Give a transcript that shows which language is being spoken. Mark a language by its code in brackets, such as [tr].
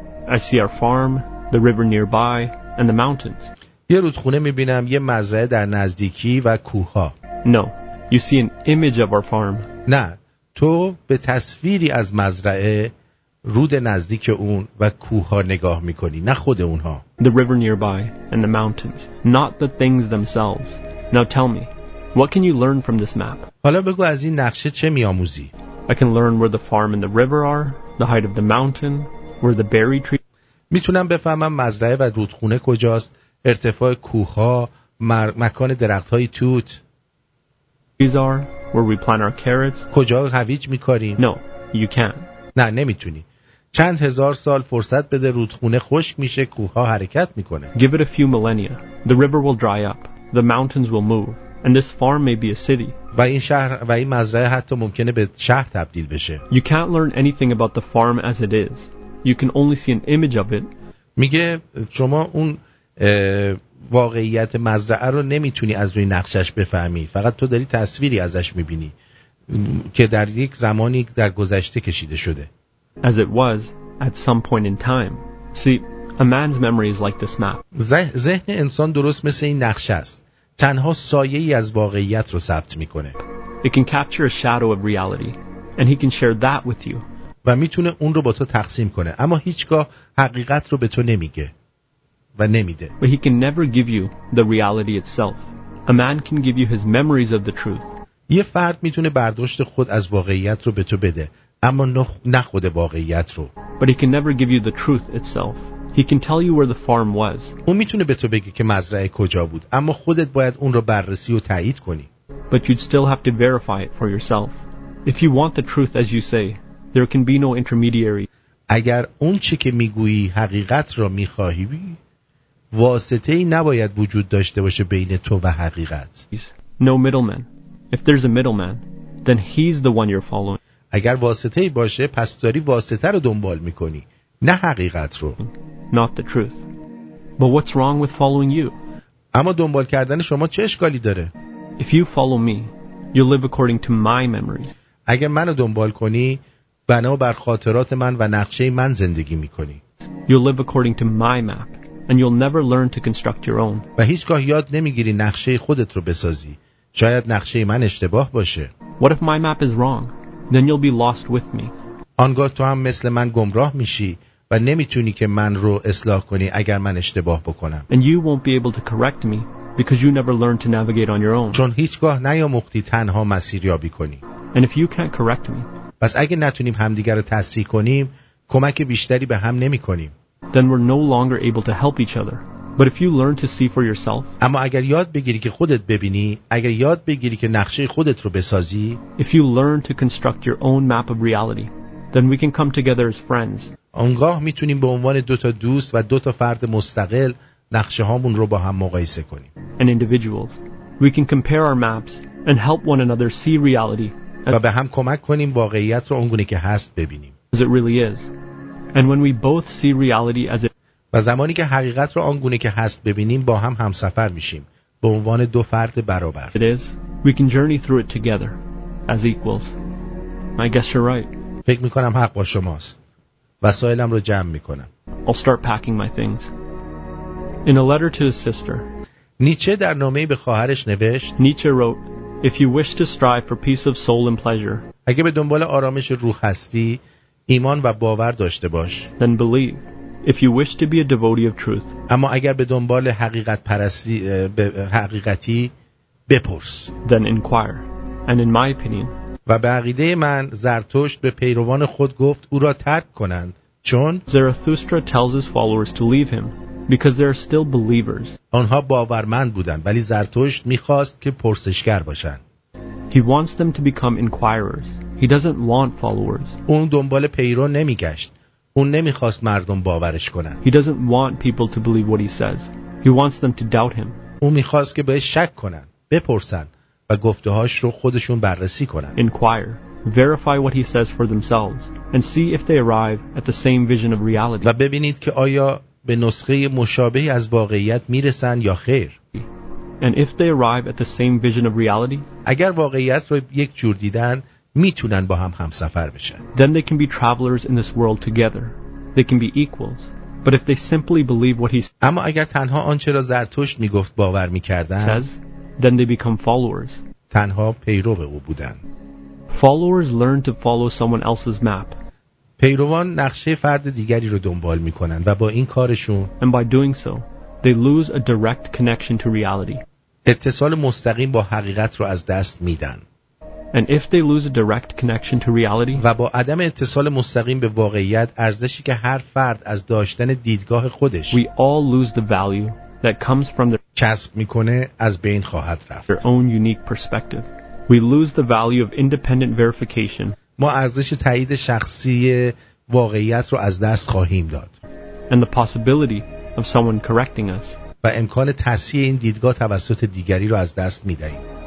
[en] I see our farm, the river nearby, and the mountains. [fa] یه رودخونه میبینم، یه مزرعه در نزدیکی و کوه‌ها. [en] No. You see an image of our farm. [fa] نه تو به تصویری از مزرعه رود نزدیک اون و کوه‌ها نگاه می‌کنی نه خود اونها. [en] The river nearby and the mountains, not the things themselves. Now tell me, what can you learn from this map? [fa] حالا بگو از این نقشه چه می‌آموزی؟ [en] I can learn where the farm and the river are, the height of the mountain, where the berry tree. [fa] می‌تونم بفهمم مزرعه و رودخونه کجاست، ارتفاع کوه‌ها، مکان درخت‌های توت. [en] These are where we plant our carrots. [fa] کجا هویج می‌کاریم؟ [en] No, you can't. [fa] نه نمیتونی. چند هزار سال فرصت بده رودخونه خشک میشه کوه ها حرکت میکنه. [en] Give it a few millennia. The river will dry up. The mountains will move. And this farm may be a city. [fa] و این شهر و این مزرعه حتی ممکنه به شهر تبدیل بشه. [en] You can't learn anything about the farm as it is. You can only see an image of it. [fa] میگه شما اون واقعیت مزرعه رو نمیتونی از روی نقشش بفهمی. فقط تو داری تصویری ازش میبینی. که در یک زمانی در گذشته کشیده شده. [en] As it was at some point in time. See, a man's memory is like this map. [fa] ذهن انسان درست مثل این نقشه است. تنها سایه ای از واقعیت رو ثبت میکنه. [en] It can capture a shadow of reality and he can share that with you. [fa] و میتونه اون رو با تو تقسیم کنه اما هیچگاه حقیقت رو به تو نمیگه و نمیده. [en] But he can never give you the reality itself. A man can give you his memories of the truth. [fa] یه فرد میتونه برداشت خود از واقعیت رو به تو بده اما نه خود واقعیت رو. [en] But he can never give you the truth itself. He can tell you where the farm was. [fa] اون میتونه به تو بگه که مزرعه کجا بود اما خودت باید اون رو بررسی و تایید کنی. [en] But you'd still have to verify it for yourself. If you want the truth as you say, there can be no intermediary. [fa] اگر اون چی که میگویی حقیقت رو میخواهی واسطه ای نباید وجود داشته باشه بین تو و حقیقت. [en] No middleman. If there's a middleman, then he's the one you're following. [fa] اگر واسطه باشه، پس داری واسطه رو دنبال می‌کنی، نه حقیقت رو. [en] Not the truth. But what's wrong with following you? [fa] اما دنبال کردن شما چه اشکالی داره؟ [en] If you follow me, you live according to my memories. [fa] اگر منو دنبال کنی، بنا بر خاطرات من و نقشه من زندگی می‌کنی. [en] You live according to my map, and you'll never learn to construct your own. [fa] و هیچگاه یاد نمی‌گیری نقشه خودت رو بسازی. شاید نقشه من اشتباه باشه. [en] What if my map is wrong? Then you'll be lost with me. [fa] آنگاه تو هم مثل من گمراه میشی و نمیتونی که من رو اصلاح کنی اگر من اشتباه بکنم. [en] And you won't be able to correct me because you never learned to navigate on your own. [fa] چون هیچگاه نیامختی تنها مسیریابی کنی. [en] And if you can't correct me. [fa] پس اگه نتونیم همدیگر رو تصحیح کنیم، کمک بیشتری به هم نمیکنیم. [en] Then we're no longer able to help each other. But if you learn to see for yourself, [fa] اما اگر یاد بگیری که خودت ببینی، اگر یاد بگیری که نقشه خودت رو بسازی، [en] if you learn to construct your own map of reality, then we can come together as friends. [fa] آنگاه میتونیم به عنوان دو تا دوست و دو تا فرد مستقل نقشه هامون رو با هم مقایسه کنیم. [en] And individuals, we can compare our maps and help one another see reality. [fa] و به هم کمک کنیم واقعیت رو اونگونه که هست ببینیم. [en] As it really is. And when we both see reality as it [fa] و زمانی که حقیقت رو آنگونه که هست ببینیم با هم همسفر میشیم به عنوان دو فرد برابر. [en] It is. We can journey through it together as equals. I guess you're right. [fa] فکر میکنم حق با شماست. وسایلم رو جمع میکنم. [en] I'll start packing my things. In a letter to his sister. [fa] نیچه در نامه‌ای به خواهرش نوشت. [en] Nietzsche wrote, "If you wish to strive for peace of soul and pleasure." [fa] اگه به دنبال آرامش روح هستی، ایمان و باور داشته باش. [en] Then believe. If you wish to be a devotee of truth. [fa] اما اگر به دنبال حقیقت پرستی حقیقتی بپرس. [en] Then inquire. And in my opinion. [fa] و به عقیده من زرتشت به پیروان خود گفت او را ترک کنند چون [en] Zarathustra tells his followers to leave him because they are still believers. [fa] آنها باورمند بودند ولی زرتشت می‌خواست که پرسشگر باشند. [en] He wants them to become inquirers. He doesn't want followers. [fa] اون دنبال پیرو نمی‌گشت. اون نمیخواست مردم باورش کنن. [en] He doesn't want people to believe what he says. He wants them to doubt him. [fa] اون میخواست که بهش شک کنن، بپرسن و گفته‌هاش رو خودشون بررسی کنن. [en] Inquire, verify what he says for themselves and see if they arrive at the same vision of reality. [fa] و ببینید که آیا به نسخه مشابهی از واقعیت میرسن یا خیر. [en] And if they arrive at the same vision of reality, [fa] اگر واقعیت رو یک جور دیدن میتونن با هم همسفر بشن. [en] Then they can be travelers in this world together. They can be equals. But if they simply believe what he says, [fa] اما اگر تنها آنچه را زرتشت میگفت باور میکردن, [en] says, then they become followers. [fa] تنها پیرو به او بودن. [en] Followers learn to follow someone else's map. [fa] پیروان نقشه فرد دیگری رو دنبال میکنن و با این کارشون [en] And by doing so, they lose a direct connection to reality. [fa] اتصال مستقیم با حقیقت رو از دست میدن. [en] And if they lose a direct connection to reality, [fa] و با عدم اتصال مستقیم به واقعیت ارزشی که هر فرد از داشتن دیدگاه خودش [en] We all lose the value that comes from their [fa] چسب میکنه از بین خواهد رفت. [en] Their own unique perspective. We lose the value of independent verification. [fa] ما ارزش تایید شخصی واقعیت رو از دست خواهیم داد. [en] And the possibility of someone correcting us. [fa] و امکان تصحیح این دیدگاه توسط دیگری رو از دست می‌دهیم.